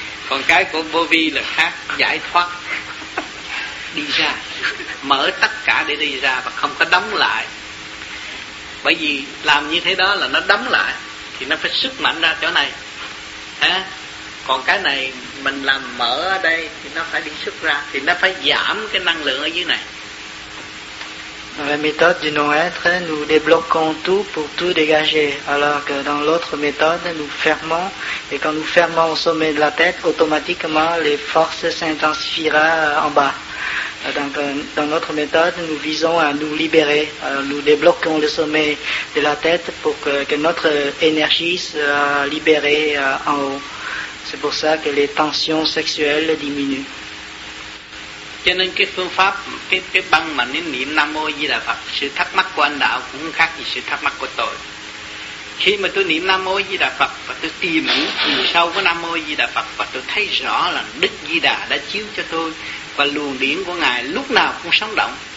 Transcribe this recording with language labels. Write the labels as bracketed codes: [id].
[vi] Còn cái của Bovi là khác, giải thoát, đi ra, mở tất cả để đi ra và không có đóng lại. Bởi vì làm như thế đó là nó đóng lại, thì nó phải sức mạnh ra chỗ này. Hả? Còn cái này mình làm mở ở đây thì nó phải đi xuất ra, thì nó phải giảm cái năng lượng ở dưới này. [fr] Dans la méthode du non-être, nous débloquons tout pour tout dégager. Alors que dans l'autre méthode, nous fermons. Et quand nous fermons au sommet de la tête, automatiquement, les forces s'intensifieront en bas. Donc, dans notre méthode, nous visons à nous libérer. Alors, nous débloquons le sommet de la tête pour que notre énergie soit libérée en haut. C'est pour ça que les tensions sexuelles diminuent. [vi] Cho nên cái phương pháp, cái băng mà nên niệm Nam Mô Di Đà Phật, sự thắc mắc của anh Đạo cũng khác gì sự thắc mắc của tôi. Khi mà tôi niệm Nam Mô Di Đà Phật và tôi tìm những chiều sâu của Nam Mô Di Đà Phật và tôi thấy rõ là Đức Di Đà đã chiếu cho tôi và luồng điển của Ngài lúc nào cũng sống động.